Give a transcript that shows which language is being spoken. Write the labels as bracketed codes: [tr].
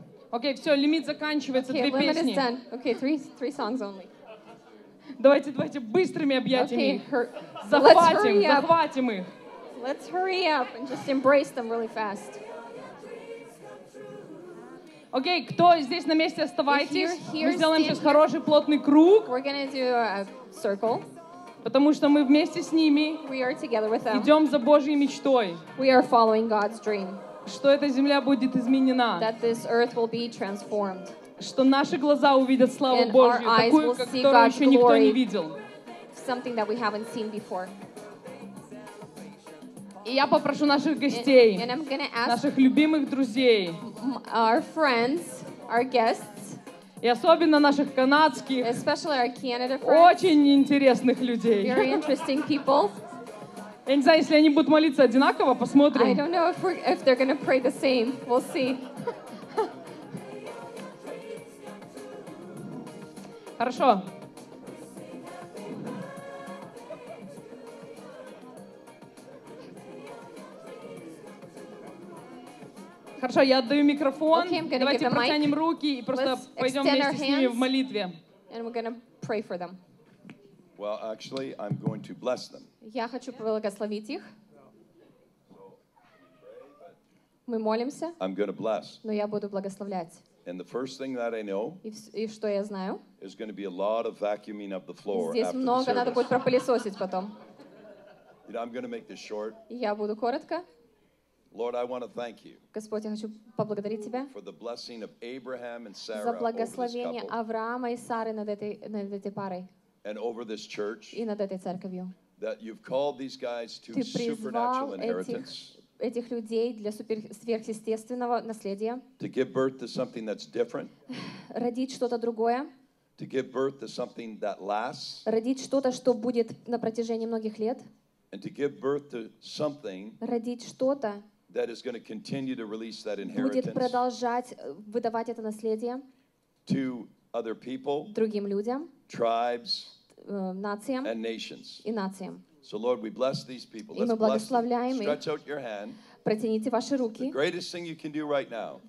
[ru] Okay, все, лимит заканчивается, okay, две [en] limit [ru] песни. [en] Is done. Okay, three songs only. [ru] Давайте, давайте, быстрыми объятиями. Захватим их. [en] Let's hurry up and just embrace them really fast. [ru] Окей, кто здесь на месте, оставайтесь. Мы сделаем сейчас хороший плотный круг. [en] We're gonna do a circle. [ru] Потому что мы вместе с ними идем за Божьей мечтой. [en] We are following God's dream. [ru] Что эта земля будет изменена. [en] That this earth will be transformed. [ru] Что наши глаза увидят славу and Божью, такую, которую еще никто не видел. [en] Something that we haven't seen before. [ru] И я попрошу наших гостей, наших любимых друзей, [en] our friends, our guests, [ru] и особенно наших канадских, [en] especially our Canada friends, [ru] очень интересных людей. [en] Very interesting people. [ru] Я не знаю, если они будут молиться одинаково, посмотрим. [en] I don't know if they're gonna pray the same. We'll see. [ru] Хорошо. Хорошо, я отдаю микрофон. [en] Okay, [ru] давайте протянем руки и просто [en] Let's [ru] пойдем вместе с ними в молитве. [en] And we're gonna pray for them. Well, actually, I'm going to bless them. [ru] Я хочу благословить их. Мы молимся. [en] I'm gonna bless. [ru] Но я буду благословлять. [en] And the first thing that I know [ru] что я знаю, [en] is going to be a lot of vacuuming of the floor [ru] здесь [en] after [ru] много [en] the [ru] надо будет пропылесосить потом. [en] You know, I'm going to make this short. [ru] Я буду коротко. [en] Lord, I want to thank you. [ru] Господь, я хочу поблагодарить тебя [en] for the blessing of Abraham and Sarah [ru] за благословение Авраама и Сары над этой парой [en] and over this church, [ru] и над этой церковью. [en] That you've called these guys to supernatural inheritance. [ru] Этих людей для сверхъестественного наследия. [en] To give birth to something that's different. [ru] Родить что-то другое. [en] To give birth to something that lasts. [ru] Родить что-то, что будет на протяжении многих лет. [en] And to give birth to something. [ru] Родить что-то. [en] That is going to continue to release that inheritance. [ru] Будет продолжать выдавать это наследие. [en] To other people. [ru] Другим людям. [en] Tribes. [ru] Нациям. [en] And nations. [ru] И нациям. [en] So Lord, we bless these people. Let's [ru] и мы благословляем [en] bless them. Stretch [ru] их. [en] Out your hand. [ru] Протяните ваши руки. [en] The greatest thing you can do right now